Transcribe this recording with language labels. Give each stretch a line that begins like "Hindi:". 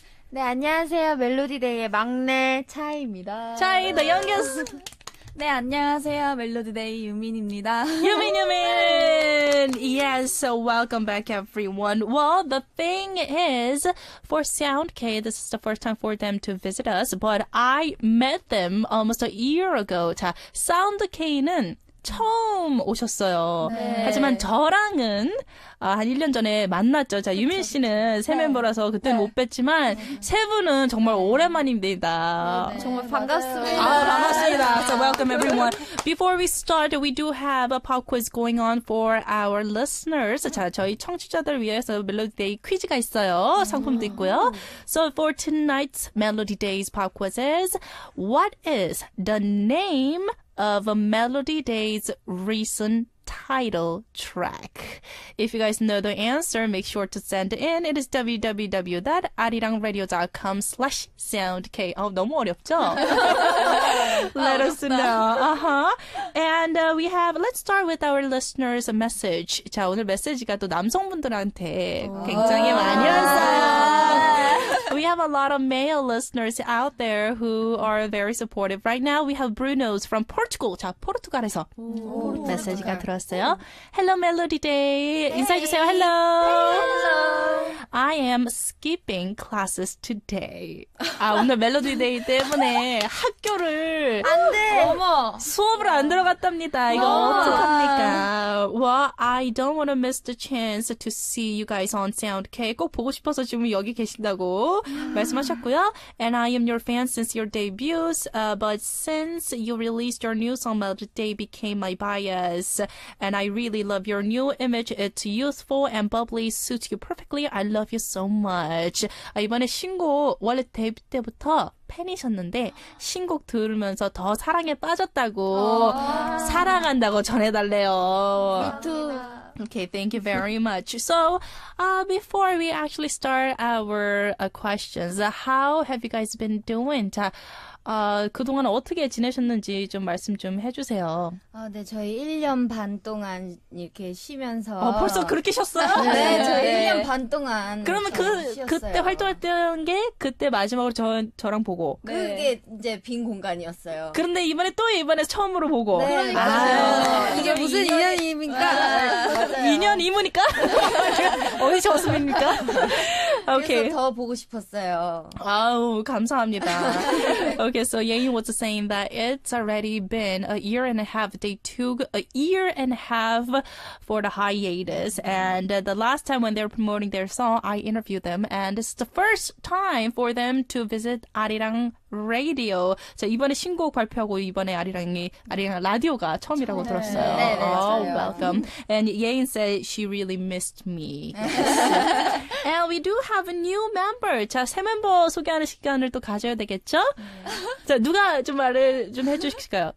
Korean: 네, 안녕하세요. 멜로디 데이의 막내 차이입니다.
English: 차이, the youngest.
Korean: 네, 안녕하세요. 멜로디데이 유민입니다.
English: 유민! Yes, so welcome back, everyone. Well, the thing is, for SoundK, this is the first time for them to visit us, but I met them almost a year ago.
Korean: 자, SoundK는 처음 오셨어요. 네. 하지만 저랑은 한 1년 전에 만났죠. 자, 유민 씨는 새 네. 멤버라서 그때는 네. 못 뵀지만 네. 세 분은 정말 오랜만입니다. 네. 정말 반갑습니다. 아, 반갑습니다.
English: So welcome everyone. Before we start, we do have a pop quiz going on for our listeners.
Korean: 자, 저희 청취자들 위해서 Melody Day 퀴즈가 있어요. 상품도 있고요.
English: So for tonight's Melody Day's pop quizzes, what is the name of MelodyDay's recent title track? If you guys know the answer, make sure to send in. It is www.arirangradio.com/soundk. Oh,
Korean: 너무 어렵죠?
English: Let us know. And we have, let's start with our listeners' message.
Korean: 자, 오늘 메시지가 또 남성분들한테 굉장히 많이 왔어요.
English: We have a lot of male listeners out there who are very supportive. Right now, we have Bruno's from Portugal.
Korean: 자, 포르투갈에서 메시지가 들어왔어요.
English: Hello, Melody Day. Hey.
Korean: 인사해주세요.
English: Hello. Hello. I am skipping classes today.
Korean: 아, 오늘 Melody Day 때문에 학교를 안 돼. 어머. 수업을 안 들어갔답니다. 이거 어떡합니까?
English: Well, I don't want to miss the chance to see you guys on SoundK.
Korean: 꼭 보고 싶어서 지금 여기 계신다고 말씀하셨고요.
English: And I am your fan since your debuts, but since you released your new song, Melody Day became my bias. And I really love your new image. It's youthful and bubbly, suits you perfectly. I love you. you so much.
Korean: 아, 이번에 신곡 원래 데뷔 때부터 팬이셨는데 신곡 들으면서 더 사랑에 빠졌다고 사랑한다고 전해달래요.
English: Me too. Okay, thank you very much. So, before we actually start our questions, how have you guys been doing?
Korean: 자, 그동안 어떻게 지내셨는지 좀 말씀 좀 해주세요. 네, 저희 1년 반 동안 이렇게 쉬면서. 벌써 그렇게 쉬었어요? 네, 저희 네. 1년 반 동안. 그러면 그때 활동했던 게 그때 마지막으로 저랑 보고. 네. 그게 이제 빈 공간이었어요. 그런데 이번에 또 이번에 처음으로 보고. 네. 이게 무슨 인연입니까? 2년 이무니까? 어디 저수입니까? 오케이. Okay. 더 보고 싶었어요. 아우, 감사합니다.
English: Okay, so Yeying was saying that it's already been a year and a half. They took a year and a half for the hiatus. And the last time when they were promoting their song, I interviewed them. And it's the first time for them to visit Arirang Radio.
Korean: 자, 이번에 신곡 발표하고 이번에 아리랑 라디오가 처음이라고 네. 들었어요. 네, 네,
English: oh, welcome. And Yeying said she really missed me. And we do have a new member.
Korean: 자, 새 멤버 소개하는 시간을 또 가져야 되겠죠? 자, 누가 좀 말을 좀 해주실까요?